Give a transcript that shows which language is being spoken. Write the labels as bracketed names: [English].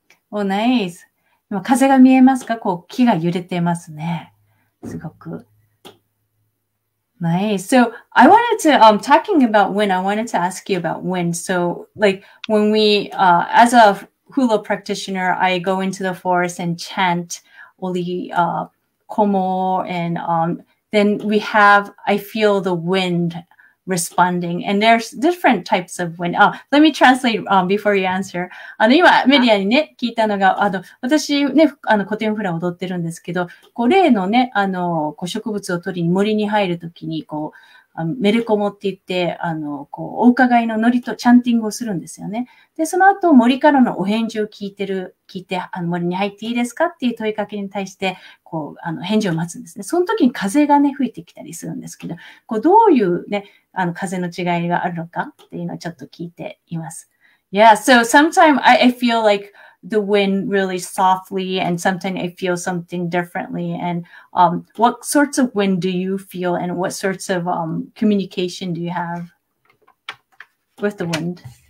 [Japanese] おー、ナイス。今、風が見えますか？こう、木が揺れてますね。すごく。ナイス。 [English] So, I wanted to, talking about wind, I wanted to ask you about wind. So, like, when we, as a hula practitioner, I go into the forest and chant oli, komo, and, then we have, I feel the wind responding. And there's different types of wind. Oh, let me translate before you answer. [Japanese] 今、メディアにね、聞いたのが、私ね、古典フラを踊ってるんですけど、こう例のね、こう植物を取りに森に入るときに、こう、メルコモって言って、こう、お伺いのノリとチャンティングをするんですよね。で、その後、森からのお返事を聞いて、森に入っていいですかっていう問いかけに対して、こう、返事を待つんですね。その時に風がね、吹いてきたりするんですけど、こう、どういうね、風の違いがあるのかっていうのをちょっと聞いています。 [English] Yeah, so sometimes I feel like the wind really softly, and sometimes I feel something differently. And what sorts of wind do you feel, and what sorts of communication do you have with the wind?